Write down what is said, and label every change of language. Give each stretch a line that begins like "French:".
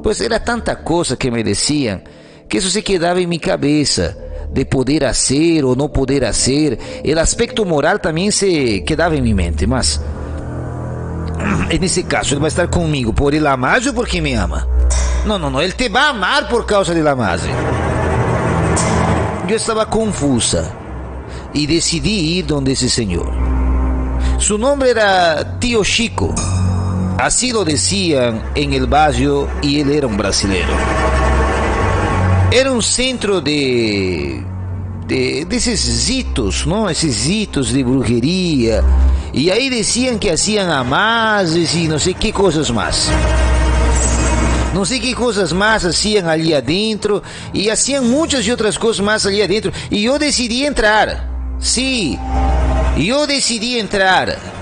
Portuguese: Pois era tanta coisa que me diziam que isso se quedava em minha cabeça. De poder ser ou não poder ser. O aspecto moral também se quedava em minha mente, mas...
Spanish: En ese caso, él va a estar conmigo por el amase o porque me ama. No, él te va a amar por causa del amase. Yo estaba confusa y decidí ir donde ese señor. Su nombre era Tío Chico. Así lo decían en el barrio y él era un brasileño. Era un centro de esos ritos, ¿no? Esos ritos de brujería.
Portuguese: E aí diziam que faziam amases e não sei que coisas mais. Não sei que coisas mais faziam ali adentro. E faziam muitas e outras coisas mais ali adentro. E eu decidi entrar. Sim. Eu decidi entrar.